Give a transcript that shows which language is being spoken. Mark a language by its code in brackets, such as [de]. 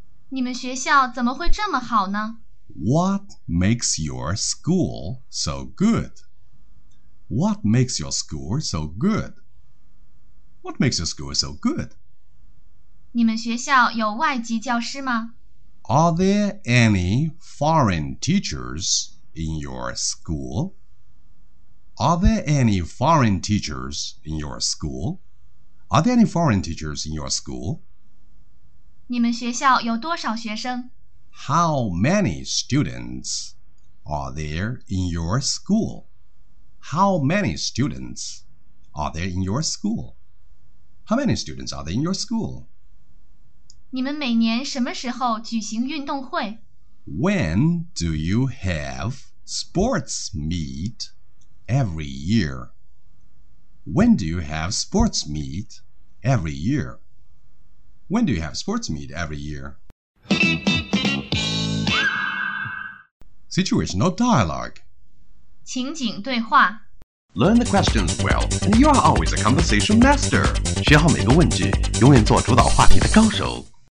[zh] 你们学校怎么会这么好呢？ [en] What makes your school so good? What makes your school so good? What makes your school so good? [zh] 你们学校有外籍教师吗？ [en] Are there any foreign teachers in your school? Are there any foreign teachers in your school? Are there any foreign teachers in your school? [zh] 你们学校有多少学生？ [en] How many students are there in your school? How many students are there in your school? How many students are there in your school? [zh] 你们每年什么时候举行运动会？ [en] When do you have sports meet every year? When do you have sports meet every year? When do you have sports meet every year? Situational dialogue. [zh] 情景对话。 [en] Learn the questions well, and you are always a conversation master. [zh] 学好每个问句，永远做主导话题的高手。